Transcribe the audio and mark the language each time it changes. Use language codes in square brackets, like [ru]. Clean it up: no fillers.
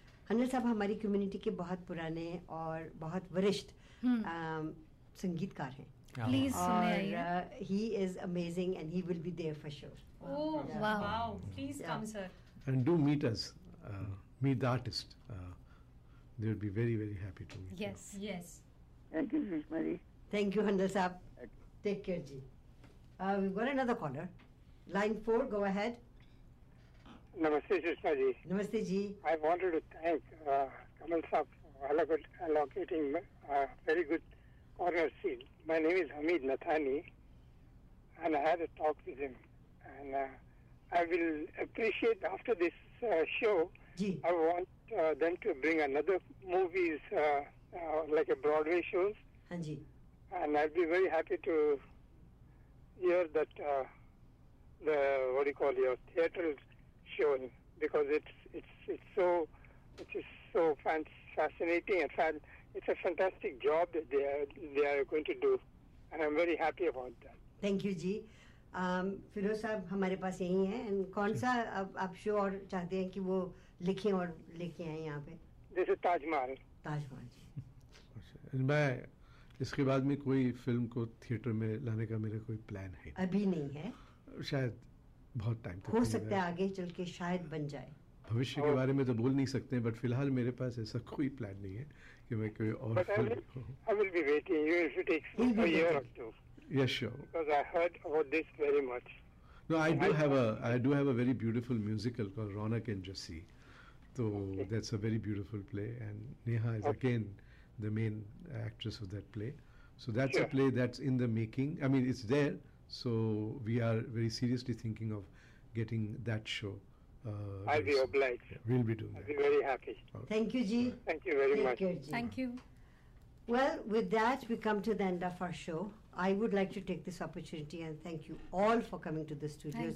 [hi] हंजर साहब हमारी कम्युनिटी के बहुत पुराने और बहुत वरिष्ठ संगीतकार हैं. प्लीज सुनिए. [en] He is amazing and he will be there for show. Oh wow, please come sir and do meet us, meet the artist. They will be very very happy to meet. Yes yes. Thank you Sushma. Thank you Hanjar साहब. Take care, ji. We've got another caller. Line 4, go ahead. [hi] Namaste, Shishna ji. Namaste ji. [en] I wanted to thank Kamal Saab for allocating a very good corner seat. My name is Hamid Nathani, and I had a talk with him. And I will appreciate after this show, ji. I want them to bring another movies, like a Broadway shows. [hi] Hanji. [en] And I'd be very happy to hear that, the what do you call your theatre show, because it's so fascinating and it's a fantastic job that they are going to do, and I'm very happy about that. Thank you, ji. [hi] Firoz sahab, हमारे पास यही हैं, and कौन सा आप show और चाहते हैं कि वो लिखें और लेके आएं यहाँ पे? [en] This is Taj Mahal. Taj Mahal. [hi] मैं इसके बाद में कोई फिल्म को थिएटर में लाने का मेरा कोई प्लान है अभी नहीं है शायद बहुत टाइम हो सकता है आगे चल के शायद बन जाए भविष्य के बारे में तो बोल नहीं सकते बट फिलहाल मेरे पास ऐसा कोई प्लान नहीं है कि मैं कोई और film [en] I will be waiting you should take a year off too yes sure because I heard about this very much no I do have a very beautiful musical called Raunak and Jassi तो that's a very beautiful play and Neha is again the main actress of that play. So that's a play that's in the making. I mean, it's there. So we are very seriously thinking of getting that show. I'll be obliged. Yeah, we'll be doing I'll that. I'll be very happy. Okay. Thank you, Ji. Thank you very Take much. Care, Ji. Thank you. Well, with that, we come to the end of our show. I would like to take this opportunity and thank you all for coming to the studios.